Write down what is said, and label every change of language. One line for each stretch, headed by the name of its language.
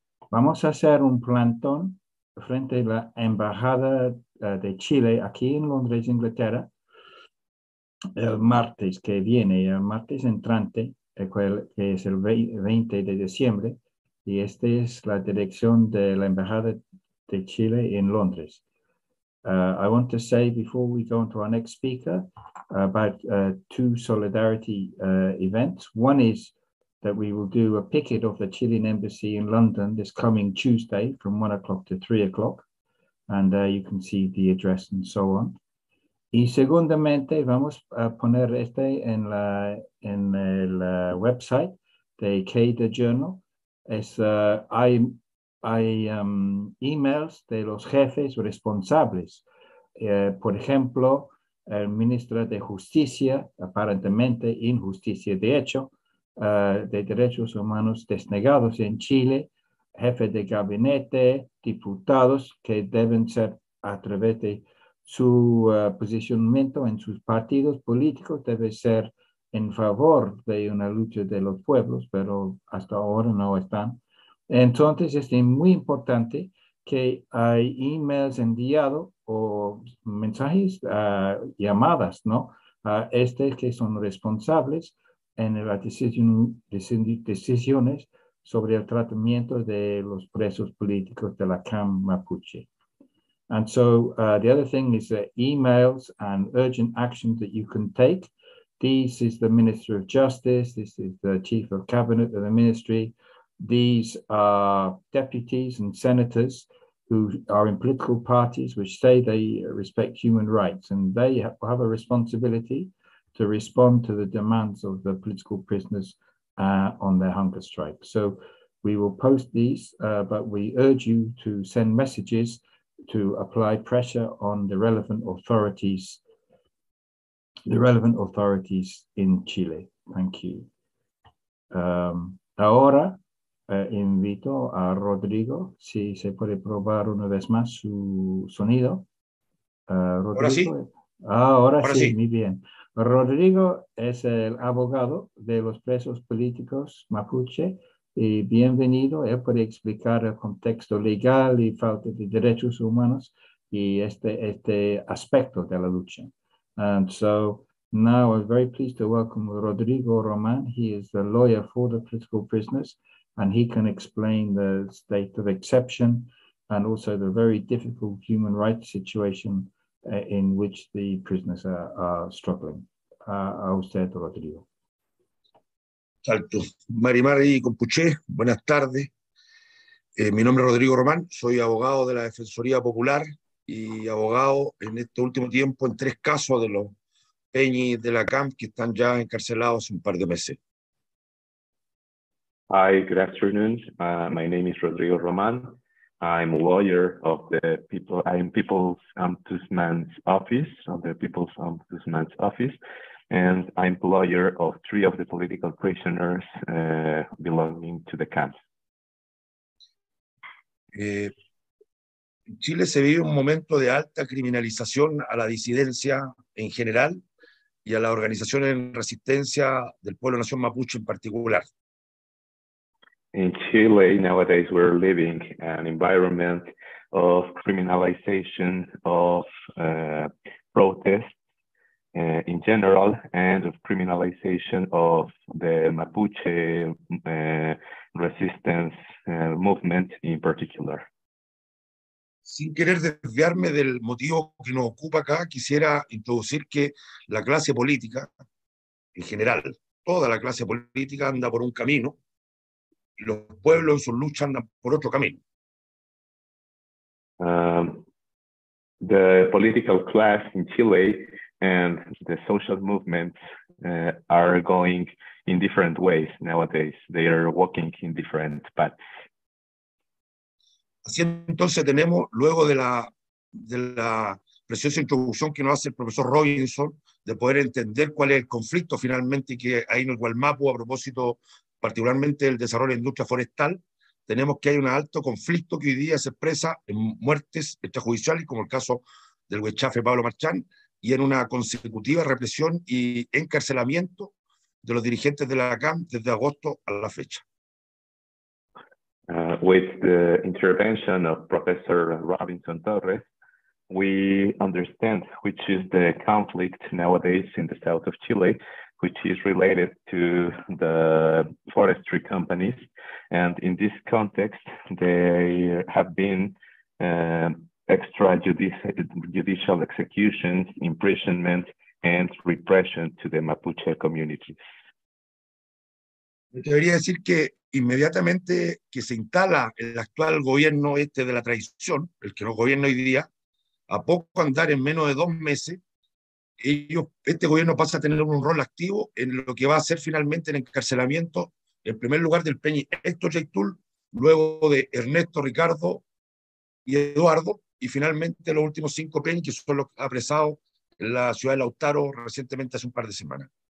Spanish: Vamos a hacer un plantón frente a la Embajada de Chile aquí en Londres, Inglaterra, el martes que viene, el martes entrante, que es el 20 de diciembre. Y esta es la dirección de la Embajada de Chile en Londres.
English: I want to say before we go on to our next speaker about two solidarity events. One is that we will do a picket of the Chilean Embassy in London this coming Tuesday from 1 o'clock to 3 o'clock. And you can see the address and so on.
Spanish: Y segundamente, vamos a poner este en la en el website de CADA Journal. Es hay emails de los jefes responsables. Por ejemplo, el ministro de Justicia, aparentemente injusticia de hecho, de derechos humanos desnegados en Chile, jefe de gabinete, diputados que deben ser a través de su posicionamiento en sus partidos políticos, debe ser en favor de una lucha de los pueblos, pero hasta ahora no están. Entonces, es muy importante que hay emails enviados o mensajes, llamadas, ¿no? A estos que son responsables en las decisiones sobre el tratamiento de los presos políticos de la CAM Mapuche.
English: And so, the other thing is emails and urgent actions that you can take. This is the Minister of Justice. This is the Chief of Cabinet of the Ministry. These are deputies and senators who are in political parties which say they respect human rights, and they have a responsibility to respond to the demands of the political prisoners on their hunger strike. So we will post these, but we urge you to send messages to apply pressure on the relevant authorities. The relevant authorities in Chile. Thank you.
Spanish: Ahora invito a Rodrigo, si se puede probar una vez más su sonido. Rodrigo, ahora sí. Ahora sí, muy bien. Rodrigo es el abogado de los presos políticos Mapuche y bienvenido. Él puede explicar el contexto legal y falta de derechos humanos y este aspecto de la lucha.
English: And so now I'm very pleased to welcome Rodrigo Román. He is the lawyer for the political prisoners, and he can explain the state of exception and also the very difficult human rights situation in which the prisoners are struggling.
Spanish: A usted, Rodrigo. Salto. Marimar y Compuché, buenas tardes. Mi nombre es Rodrigo Román, soy abogado de la Defensoría Popular y abogado en este último tiempo en tres casos de los Peñi de la CAMP que están ya encarcelados un par de meses.
English: Hi, good afternoon. My name is Rodrigo Román. I'm a lawyer of the People's Ombudsman's Office, of the People's Ombudsman's Office, and I'm a lawyer of three of the political prisoners belonging to the CAMP.
Spanish: En Chile se vive un momento de alta criminalización a la disidencia en general y a la organización en resistencia del pueblo nación mapuche en particular.
English: In Chile nowadays we're living an environment of criminalization of protests in general and of criminalization of the Mapuche resistance movement in particular.
Spanish: Sin querer desviarme del motivo que nos ocupa acá, quisiera introducir que la clase política, en general, toda la clase política anda por un camino, y los pueblos en sus luchas andan por otro camino.
English: The political class in Chile and the social movements are going in different ways nowadays. They are walking in different paths.
Spanish: Así entonces tenemos, luego de la preciosa introducción que nos hace el profesor Robinson, de poder entender cuál es el conflicto finalmente que hay en el Gualmapu a propósito particularmente del desarrollo de la industria forestal, tenemos que hay un alto conflicto que hoy día se expresa en muertes extrajudiciales, como el caso del huechafe Pablo Marchán, y en una consecutiva represión y encarcelamiento de los dirigentes de la CAM desde agosto a la fecha.
English: With the intervention of Professor Robinson Torres, we understand which is the conflict nowadays in the south of Chile, which is related to the forestry companies. And in this context, there have been extrajudicial executions, imprisonment, and repression to the Mapuche communities.
Spanish: Me debería decir que inmediatamente que se instala el actual gobierno este de la traición, el que nos gobierna hoy día, a poco andar en menos de 2 meses, este gobierno pasa a tener un rol activo en lo que va a ser finalmente el encarcelamiento, en primer lugar del Peñi Héctor Yaitul, luego de Ernesto, Ricardo y Eduardo, y finalmente los últimos 5 Peñi que son los apresados en la ciudad de Lautaro recientemente hace un par de semanas.